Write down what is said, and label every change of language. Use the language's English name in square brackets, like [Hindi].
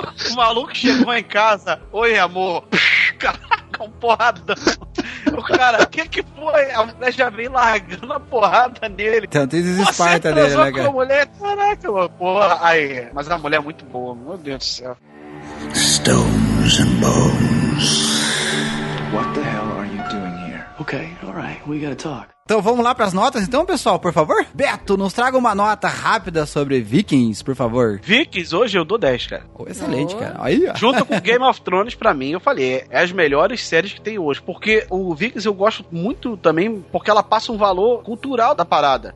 [Portuguese] O maluco chegou em casa, oi, amor. Caraca, um porradão. O cara, o que que foi? A mulher já vem largando a porrada nele. Tanto isso esparta dele, né, cara? A mulher, caraca, porra. Aí, mas a mulher é muito boa, meu Deus do céu. [English] Stones and bones. What the hell are you doing here? Okay, alright, we gotta talk. [Portuguese] Então vamos lá pras notas então, pessoal, por favor. Beto, nos traga uma nota rápida sobre Vikings, por favor. Vikings, hoje eu dou 10, cara. Oh, excelente, cara. Aí, ó. Junto com Game of Thrones, pra mim, eu falei, é as melhores séries que tem hoje. Porque o Vikings eu gosto muito também, porque ela passa um valor cultural da parada.